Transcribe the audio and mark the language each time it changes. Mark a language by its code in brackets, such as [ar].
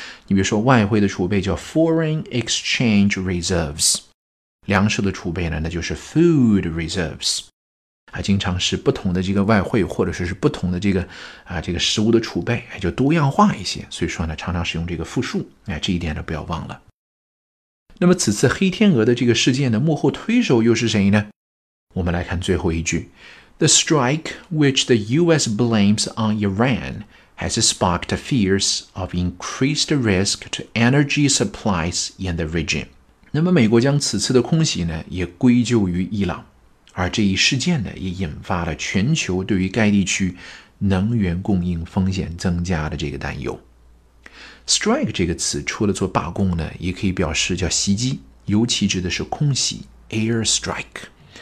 [zh] 你比如说外汇的储备叫 foreign exchange reserves， 粮食的储备呢那就是 food reserves， 经常是不同的这个外汇或者说是不同的这个食物的储备，就多样化一些，所以说呢常常使用这个复数，这一点呢不要忘了。那么此次黑天鹅的这个事件的幕后推手又是谁呢？我们来看最后一句。 [en] The strike which the US blames on Iran has sparked fears of increased risk to energy supplies in the region. [zh] 那么美国将此次的空袭呢也归咎于伊朗，而这一事件呢也引发了全球对于该地区能源供应风险增加的这个担忧。 Strike 这个词除了做罢工呢，也可以表示叫袭击，尤其指的是空袭 air strike。